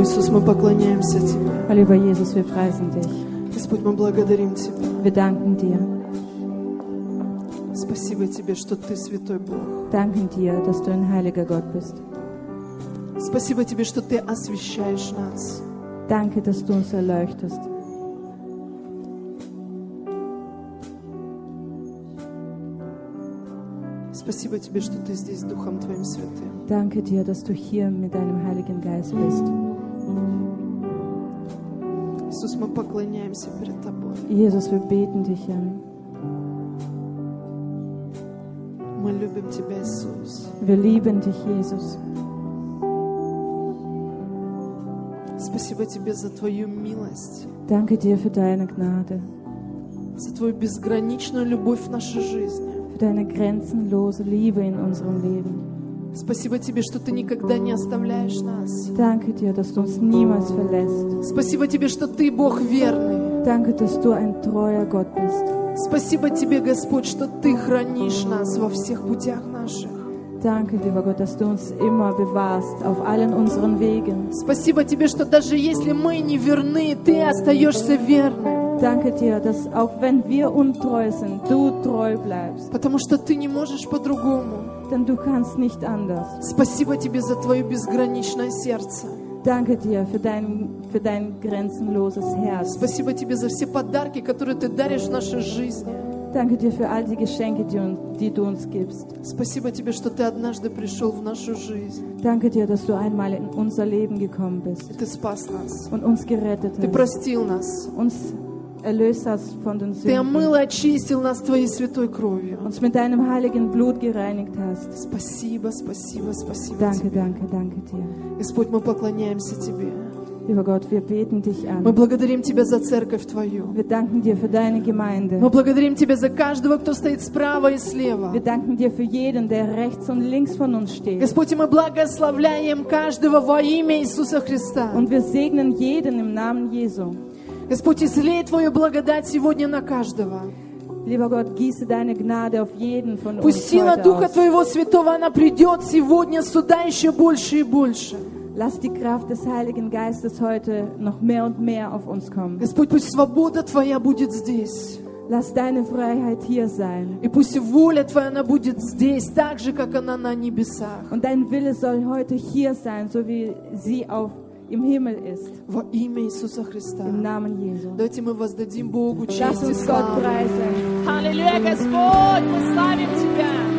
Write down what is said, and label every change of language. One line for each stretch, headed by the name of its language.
Russian: Иисус, мы поклоняемся Тебе. Аллилуйя, Иисус, мы празднуем Тебя. Господь, мы благодарим Тебя.
German: Wir danken dir.
Russian: Спасибо Тебе, что Ты святой Бог.
German: Danken dir, dass du ein heiliger Gott bist.
Russian: Спасибо Тебе, что Ты освящаешь нас.
German: Danke, dass du uns erleuchtest.
Russian: Спасибо Тебе, что Ты здесь Духом Твоим Святым.
German: Danke dir, dass du hier mit deinem Heiligen Geist bist.
Russian: Иисус, мы поклоняемся перед Тобой.
German: Jesus, wir beten dich an.
Russian: Мы любим Тебя, Иисус.
German: Wir lieben dich, Jesus.
Russian: Спасибо Тебе за Твою милость.
German: Danke dir für deine Gnade.
Russian: За Твою безграничную любовь в нашей жизни.
German: Für deine grenzenlose Liebe in unserem Leben.
Russian: Спасибо Тебе, что Ты никогда не оставляешь нас.
German: Danke dir, dass du uns niemals verlässt.
Russian: Спасибо Тебе, что Ты Бог верный.
German: Danke, dass du ein treuer Gott bist.
Russian: Спасибо Тебе, Господь, что Ты хранишь нас во всех путях наших.
German: Danke, lieber Gott, dass du uns immer bewahrst auf allen unseren Wegen.
Russian: Спасибо Тебе, что даже если мы не верны, Ты остаешься верным.
German: Danke dir, dass auch wenn wir untreu sind, du treu bleibst.
Russian: Потому что ты не можешь по-другому.
German: Denn du kannst nicht anders.
Russian: Спасибо тебе за твое безграничное сердце.
German: Danke dir für dein grenzenloses Herz.
Russian: Спасибо тебе за все подарки, которые ты даришь в нашей жизни.
German: Danke dir für all die Geschenke, die du uns gibst.
Russian: Спасибо тебе, что ты однажды пришел в нашу жизнь.
German: Danke dir, dass du einmal in unser Leben gekommen bist.
Russian: Ты спас нас.
German: Und uns gerettet hast.
Russian: Ты простил нас.
German: Uns erlöst hast von den Sünden.
Russian: Ты омыл и очистил нас твоей святой кровью.
German: Uns mit deinem heiligen Blut gereinigt hast.
Russian: Спасибо, спасибо, спасибо.
German: Danke,
Russian: тебе.
German: Danke, danke dir.
Russian: Господь, мы поклоняемся тебе.
German: Lieber Gott, wir beten dich an.
Russian: Мы благодарим тебя за церковь твою.
German: Wir danken dir für deine Gemeinde.
Russian: Мы благодарим тебя за каждого, кто стоит справа и слева.
German: Wir danken dir für jeden, der rechts und links von uns steht.
Russian: Господь, мы благословляем каждого во имя Иисуса Христа.
German: Und wir segnen jeden im Namen Jesu.
Russian: Господь, излей твою благодать сегодня на каждого.
German: Lieber Gott, gieße deine Gnade auf jeden von uns.
Russian: Пусть сила Духа твоего святого она придет сегодня сюда еще больше и больше.
German: Lass die Kraft des Heiligen Geistes heute noch mehr und mehr auf uns kommen.
Russian: Господь, пусть свобода твоя будет здесь.
German: Lass deine Freiheit hier sein.
Russian: И пусть воля твоя она будет здесь, так же как она на небесах.
German: Und dein Wille soll heute hier sein, so wie sie auf im Himmel ist.
Russian: Во имя Иисуса Христа.
German: Im Namen Jesu.
Russian: Давайте мы воздадим Богу честь и славу.
German: Lass uns Gott preisen.
Russian: Halleluja, Господь, мы славим тебя.